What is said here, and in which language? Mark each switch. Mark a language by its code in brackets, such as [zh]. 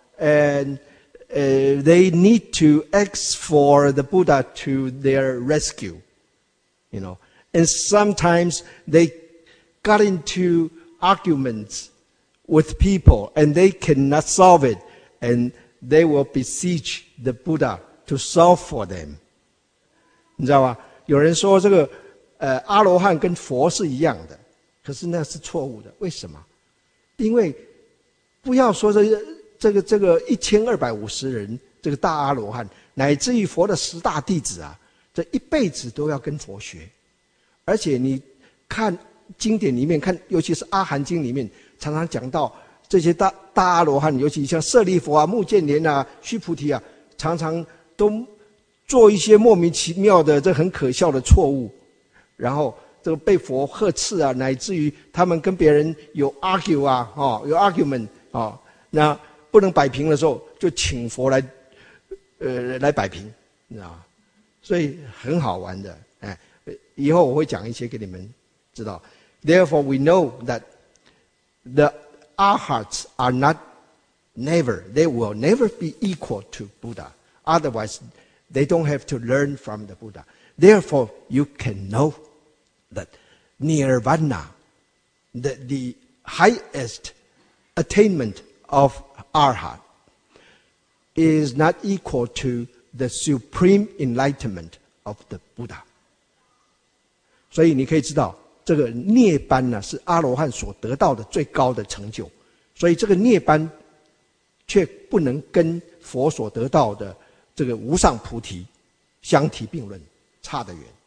[en] And they need to ask for the Buddha to their rescue, you know. And sometimes they got into arguments,with people, and they cannot solve it, and they will beseech the Buddha to solve for them. [zh] 你知道吗？有人说这个阿罗汉跟佛是一样的，可是那是错误的。为什么？因为不要说这个1,250人，这个大阿罗汉，乃至于佛的十大弟子啊，这一辈子都要跟佛学，而且你看经典里面看，尤其是阿含经里面常常讲到这些 大阿罗汉，尤其像舍利弗啊、目犍连啊、须菩提啊，常常都做一些莫名其妙的这很可笑的错误，然后这个被佛呵斥啊，乃至于他们跟别人有 argue 啊、哦、有 argument 啊、哦、那不能摆平的时候就请佛来来摆平，你知道吗？所以很好玩的，哎，以后我会讲一些给你们知道。 [en] Therefore, we know that the arhats are not never, they will never be equal to Buddha. Otherwise, they don't have to learn from the Buddha. Therefore, you can know that nirvana, the highest attainment of arhat, is not equal to the supreme enlightenment of the Buddha. [zh] 所以你可以知道这个涅槃呢，是阿罗汉所得到的最高的成就，所以这个涅槃却不能跟佛所得到的这个无上菩提相提并论，差得远。